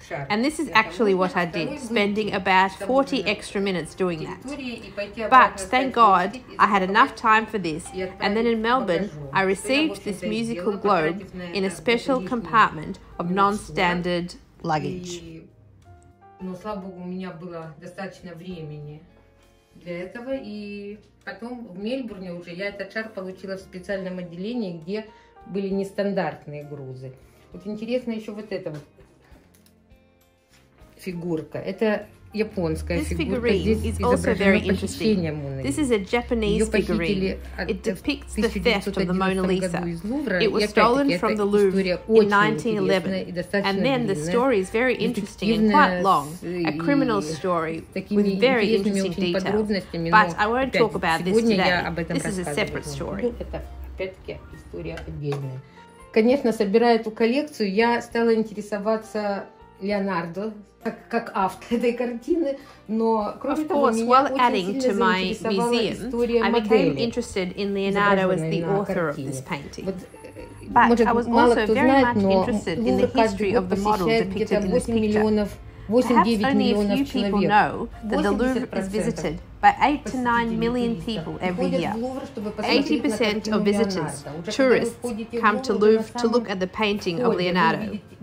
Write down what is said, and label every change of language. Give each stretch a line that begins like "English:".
English: And this is actually what I did, spending about 40 extra minutes doing that. But thank God I had enough time for this, and then in Melbourne I received this musical globe in a special compartment of non-standard luggage.
Russian: Но, слава богу, у меня было достаточно времени для этого. И потом в Мельбурне уже я этот шар получила в специальном отделении, где были нестандартные грузы. Вот интересно еще вот эта вот фигурка. Это японская фигурка. Здесь изображено похищение Моны Лизы. Ее похитили в 1911 году из Лувра. И опять-таки, эта история очень интересная и достаточно длинная.
English: And then the story is very interesting and quite long. A criminal story with very interesting details. But I won't talk about this today. This is a separate story.
Russian: Это опять-таки история отдельная. Конечно, собирая эту коллекцию, я стала интересоваться Леонардо, как автор этой картины, но кроме того, меня очень сильно заинтересовала история модели, изображенной на картине.
English: But,
Russian: может,
English: I was also very much interested in the history of the model depicted in this picture. Perhaps only a few people know that the Louvre is visited by 8 to 9 million people every year. 80% of visitors, tourists, come to Louvre to look at the painting of Leonardo.